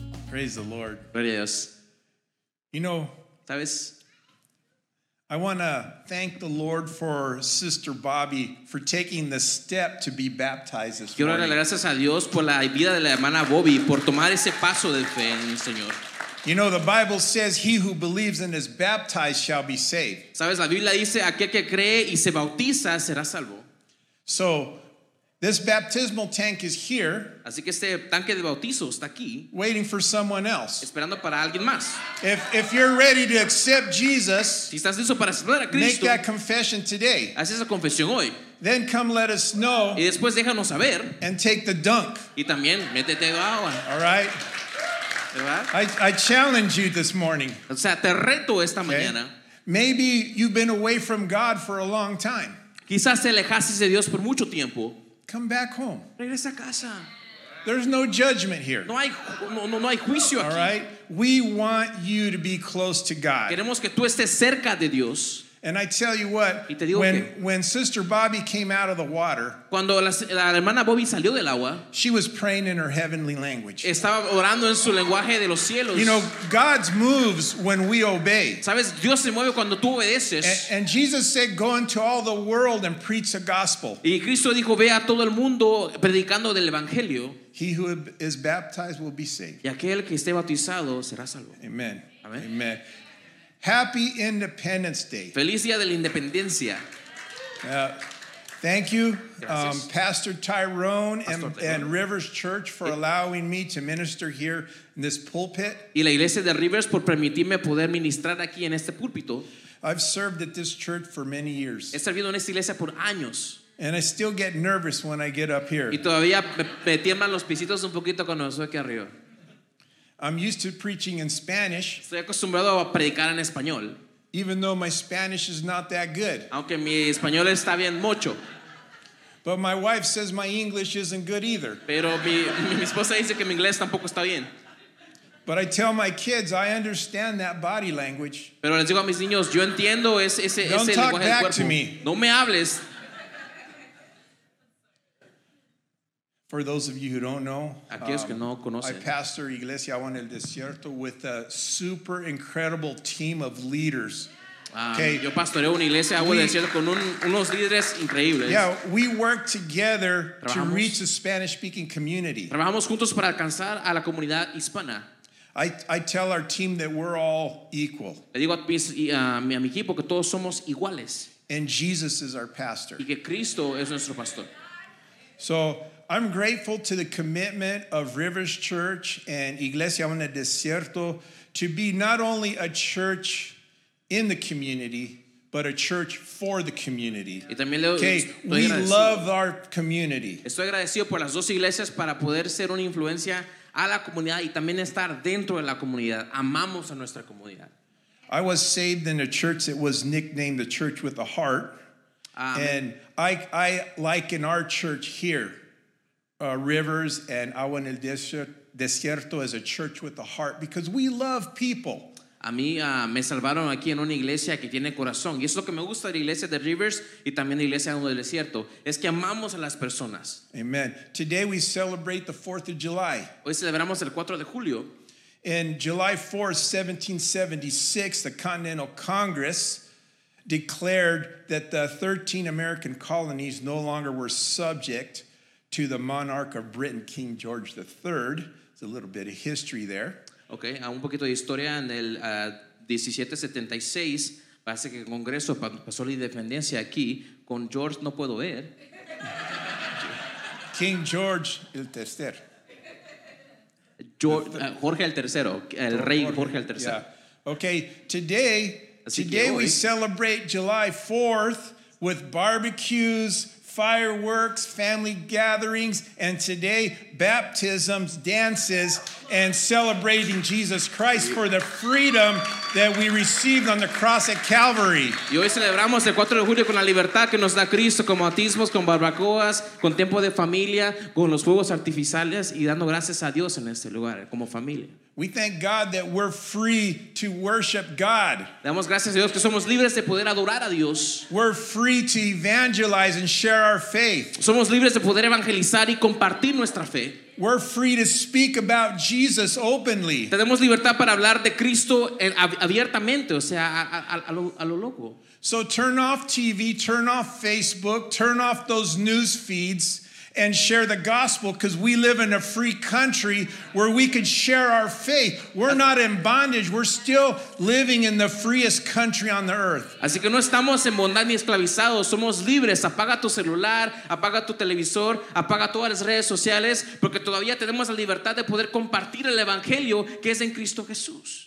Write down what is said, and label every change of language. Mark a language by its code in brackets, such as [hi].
[en] Praise the Lord. Glory to God. You know, [es] ¿sabes? [en] I want to thank the Lord for Sister Bobby for taking the step to be baptized this morning. [es] Quiero darle gracias a Dios por la vida de la hermana Bobby por tomar ese paso de fe en el Señor. [en] You know, the Bible says he who believes and is baptized shall be saved. [es] ¿Sabes? La Biblia dice aquel que cree y se bautiza será salvo. [en] So, this baptismal tank is here. [es] Así que este tanque de bautizo está aquí. [en] Waiting for someone else. [es] Esperando para alguien más. [en] If you're ready to accept Jesus, [es] si estás listo para aceptar a Cristo, [en] make that confession today. [es] Haz esa confesión hoy. [en] Then come let us know. [es] Y después déjanos saber. [en] And take the dunk. [es] Y también métete agua. [en] All right. I challenge you this morning. [es] O sea, te reto esta mañana. [en] Maybe you've been away from God for a long time. [es] Quizás te alejaste de Dios por mucho tiempo. [en] Come back home. [es] Regresa a casa. [en] There's no judgment here. [es] No hay juicio aquí. [en] All right? We want you to be close to God. [es] Queremos que tú estés cerca de Dios. [en] And I tell you what, when Sister Bobby came out of the water, [es] cuando la hermana Bobby salió del agua, [en] she was praying in her heavenly language. [es] Estaba orando en su lenguaje de los cielos. [en] You know, God moves when we obey. [es] ¿Sabes? Dios se mueve cuando tú obedeces. [en] And Jesus said, go into all the world and preach the gospel. [es] Y Cristo dijo, ve a todo el mundo predicando del evangelio. [en] He who is baptized will be saved. [es] Y aquel que esté bautizado será salvo. [en] Amen. Amen. Amen. Happy Independence Day. [es] Feliz Día de la Independencia. [en] Thank you, Pastor Tyrone and Rivers Church for allowing me to minister here in this pulpit. [es] Y la iglesia de Rivers por permitirme poder ministrar aquí en este púlpito. [en] I've served at this church for many years. [es] He servido en esta iglesia por años. [en] And I still get nervous when I get up here. [es] Y todavía me tiemblan los pisitos un poquito cuando estoy aquí arriba. [en] I'm used to preaching in Spanish. [es] Estoy acostumbrado a predicar en español. [en] Even though my Spanish is not that good. [es] Aunque mi español está bien mucho. [en] But my wife says my English isn't good either. [es] Pero mi esposa dice que mi inglés tampoco está bien. [en] But I tell my kids I understand that body language. [es] Pero les digo a mis niños, yo entiendo ese lenguaje del cuerpo. [en] Don't talk back to me. [es] No me hables. [en] For those of you who don't know, I pastor Iglesia Agua en el Desierto with a super incredible team of leaders. [es] Yo pastoreo una iglesia Agua en el Desierto con unos líderes increíbles. [en] Yeah, we work together to reach the Spanish-speaking community. [es] Trabajamos juntos para alcanzar a la comunidad hispana. [en] I tell our team that we're all equal. [es] Le digo a mi equipo que todos somos iguales. [en] And Jesus is our pastor. [es] Y que Cristo es nuestro pastor. [en] So I'm grateful to the commitment of Rivers Church and Iglesia Agua en el Desierto to be not only a church in the community, but a church for the community. Okay, we love our community. [es] Estoy agradecido por las dos iglesias para poder ser una influencia a la comunidad y también estar dentro de la comunidad. Amamos a nuestra comunidad. [en] I was saved in a church that was nicknamed the Church with a Heart. And I like in our church here, Rivers and Agua en el Desierto as a church with a heart because we love people. [es] A mí me salvaron aquí en una iglesia que tiene corazón. Y es lo que me gusta de la iglesia de Rivers y también la iglesia de Agua en el Desierto. Es que amamos a las personas. [en] Amen. Today we celebrate the 4th of July. [es] Hoy celebramos el 4 de julio. [en] In July 4, 1776, the Continental Congress declared that the 13 American colonies no longer were subject to the monarch of Britain, King George III. It's a little bit of history there. [es] Okay, un poquito de historia. En el 1776, parece que el Congreso pasó la independencia aquí. Con George no puedo ver. King George el Tercer. Jorge el Tercero, el Rey Jorge el Tercero. [en] Yeah. Okay, today Today we celebrate July 4th with barbecues, fireworks, family gatherings, and today baptisms, dances, and celebrating Jesus Christ for the freedom that we received on the cross at Calvary. [es] Y hoy celebramos el 4 de julio con la libertad que nos da Cristo, con bautismos, con barbacoas, con tiempo de familia, con los fuegos artificiales y dando gracias a Dios en este lugar como familia. [en] We thank God that we're free to worship God. [es] Damos gracias a Dios que somos libres de poder adorar a Dios. [en] We're free to evangelize and share our faith. [es] Somos libres de poder evangelizar y compartir nuestra fe. [en] We're free to speak about Jesus openly. [es] Tenemos libertad para hablar de Cristo abiertamente, o sea, a lo loco. [en] So turn off TV, turn off Facebook, turn off those news feeds. And share the gospel because we live in a free country where we can share our faith. We're not in bondage. We're still living in the freest country on the earth. [es] Así que no estamos en bondad ni esclavizados. Somos libres. Apaga tu celular, apaga tu televisor, apaga todas las redes sociales porque todavía tenemos la libertad de poder compartir el evangelio que es en Cristo Jesús.